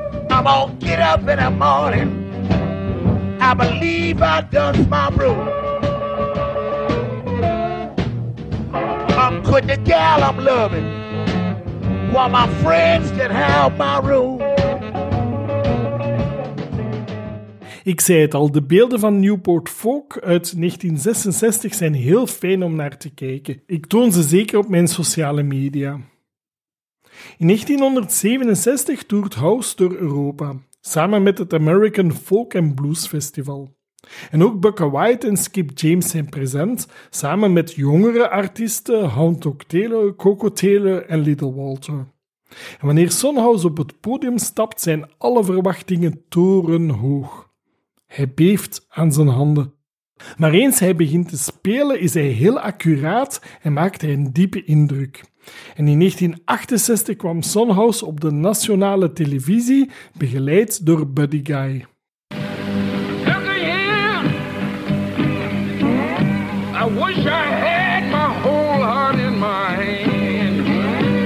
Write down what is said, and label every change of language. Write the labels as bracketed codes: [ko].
[en] I'm gonna get up in the morning, I believe I dust my broom. I'm quitting the gal I'm loving, while my friends can have my room. [nl] Ik zei het al, de beelden van Newport Folk uit 1966 zijn heel fijn om naar te kijken. Ik toon ze zeker op mijn sociale media. In 1967 toert House door Europa, samen met het American Folk and Blues Festival. En ook Bucca White en Skip James zijn present, samen met jongere artiesten Hound Dog Taylor, Coco Taylor en Little Walter. En wanneer Sunhouse op het podium stapt, zijn alle verwachtingen torenhoog. Hij beeft aan zijn handen. Maar eens hij begint te spelen, is hij heel accuraat en maakt hij een diepe indruk. En in 1968 kwam Sunhouse op de nationale televisie, begeleid door Buddy Guy. [en] Look at you. I wish I had my whole heart in my hand.